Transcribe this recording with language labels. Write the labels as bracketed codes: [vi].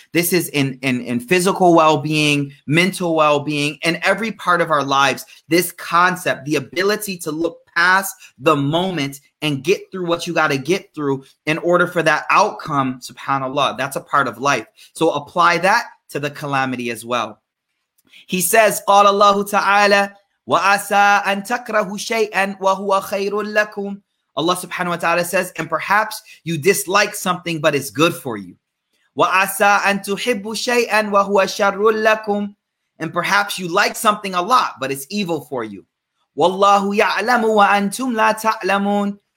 [en] This is in physical well-being, mental well-being, and every part of our lives. This concept, the ability to look past the moment and get through what you got to get through in order for that outcome, subhanAllah, that's a part of life. So apply that to the calamity as well. He says, [ar] قال الله تعالى, وَأَسَىٰ أَن تَكْرَهُ شَيْئًا وَهُوَ خَيْرٌ لَكُمْ. [en] Allah subhanahu wa ta'ala says, and perhaps you dislike something, but it's good for you. [ar] وَأَسَىٰ أَن تُحِبُّ شَيْئًا وَهُوَ شَرٌ لَكُمْ. [en] And perhaps you like something a lot, but it's evil for you. [ar] وَاللَّهُ يَعْلَمُ وَأَنْتُمْ لَا تَعْلَمُونَ.